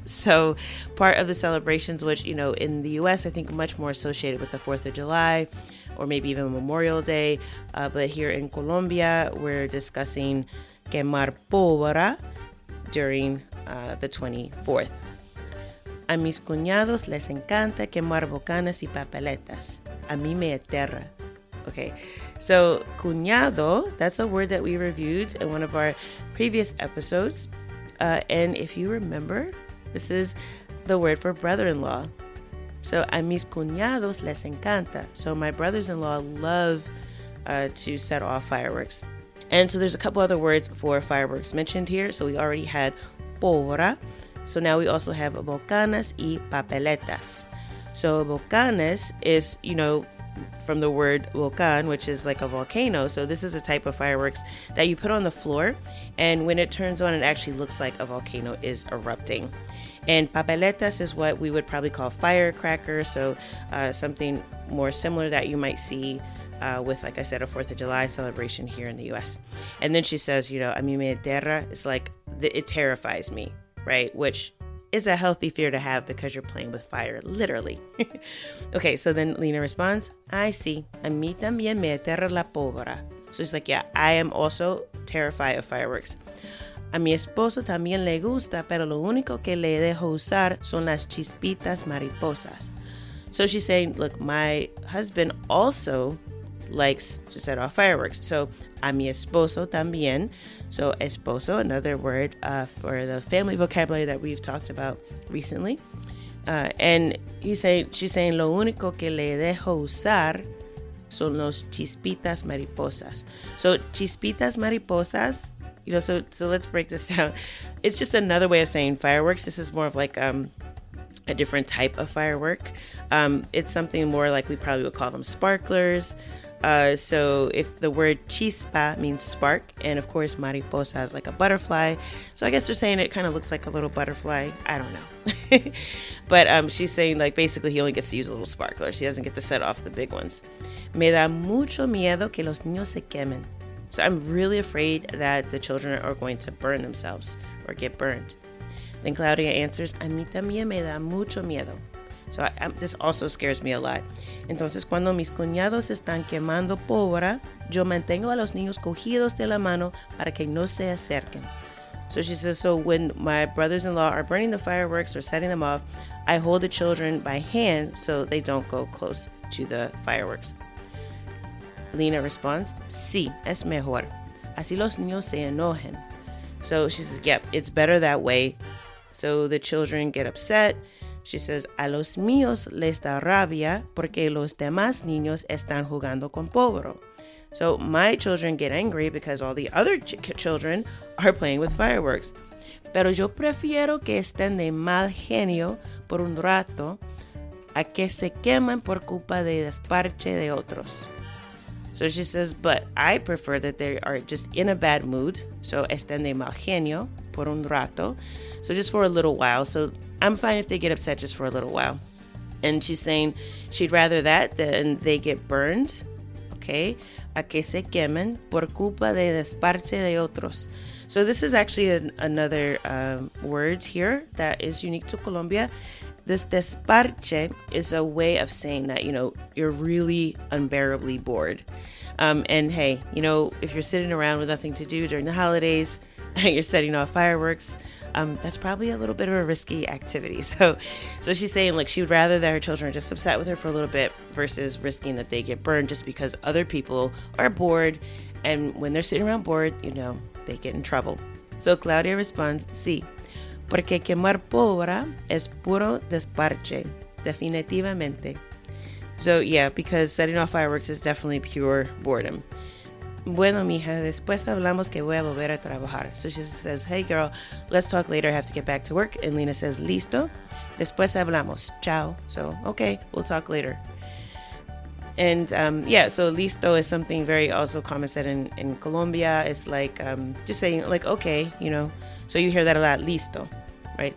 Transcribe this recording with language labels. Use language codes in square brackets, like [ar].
[en] So part of the celebrations, which, you know, in the U.S., I think much more associated with the 4th of July or maybe even Memorial Day. But here in Colombia, we're discussing [es] quemar pólvora [en] during the 24th. [es] A mis cuñados les encanta quemar bocanas y papeletas. A mí me aterra. [en] Okay, so cuñado, that's a word that we reviewed in one of our previous episodes. And if you remember, this is the word for brother-in-law. [es] So a mis cuñados les encanta. [en] So my brothers-in-law love to set off fireworks. And so there's a couple other words for fireworks mentioned here. So we already had pólvora. So now we also have [es] bocanas y papeletas. [en] So bocanas is, you know, from the word volcán, which is like a volcano. So this is a type of fireworks that you put on the floor, and when it turns on, it actually looks like a volcano is erupting. And papeletas is what we would probably call firecracker. So something more similar that you might see with, like I said, a 4th of July celebration here in the U.S. And then she says, you know, [es] a mí me aterra. [en] It's like, it terrifies me, right? Which is a healthy fear to have because you're playing with fire, literally. Okay, so then Lena responds, I see. [es] A mí también me aterra la pólvora. [en] So she's like, yeah, I am also terrified of fireworks. [es] A mi esposo también le gusta, pero lo único que le dejo usar son las chispitas mariposas. [en] So she's saying, look, my husband also likes to set off fireworks. So [es] a mi esposo también. [en] So esposo, another word for the family vocabulary that we've talked about recently. And she's saying [es] lo único que le dejo usar son los chispitas mariposas. [en] So chispitas mariposas, you know, so let's break this down. It's just another way of saying fireworks. This is more of like a different type of firework. It's something more like we probably would call them sparklers. So if the word chispa means spark, and of course mariposa is like a butterfly, so I guess they're saying it kind of looks like a little butterfly. I don't know. But she's saying, like, basically he only gets to use a little sparkler. She doesn't get to set off the big ones. [es] Me da mucho miedo que los niños se quemen. [en] So I'm really afraid that the children are going to burn themselves or get burned. Then Claudia answers, [es] a mí también me da mucho miedo. [en] So this also scares me a lot. [es] Entonces, cuando mis cuñados están quemando pólvora, yo mantengo a los niños cogidos de la mano para que no se acerquen. [en] So she says, so when my brothers-in-law are burning the fireworks or setting them off, I hold the children by hand so they don't go close to the fireworks. Lena responds, [es] sí, es mejor. Así los niños se enojen. [en] So she says, yep, it's better that way. So the children get upset. She says, [es] a los míos les da rabia porque los demás niños están jugando con pólvora. [en] So my children get angry because all the other children are playing with fireworks. [es] Pero yo prefiero que estén de mal genio por un rato a que se quemen por culpa de desparche de otros. [en] So she says, but I prefer that they are just in a bad mood. [es] So estén de mal genio por un rato. [en] So just for a little while. So I'm fine if they get upset just for a little while. And she's saying she'd rather that than they get burned. Okay. [es] A que se quemen por culpa de desparche de otros. [en] So this is actually another word here that is unique to Colombia. This desparche is a way of saying that, you know, you're really unbearably bored. And hey, you know, if you're sitting around with nothing to do during the holidays, you're setting off fireworks, that's probably a little bit of a risky activity. So she's saying, like, she would rather that her children are just upset with her for a little bit versus risking that they get burned just because other people are bored. And when they're sitting around bored, you know, they get in trouble. So Claudia responds, [es] sí, porque quemar pólvora es puro desparche, definitivamente. [en] So yeah, because setting off fireworks is definitely pure boredom. [es] Bueno, mija, después hablamos que voy a volver a trabajar. [en] So she says, hey, girl, let's talk later. I have to get back to work. And Lena says, [es] listo. Después hablamos. Chao. [en] So, okay, we'll talk later. And, yeah, so listo is something very also common said in Colombia. It's like just saying, like, okay, you know. So you hear that a lot, listo, right?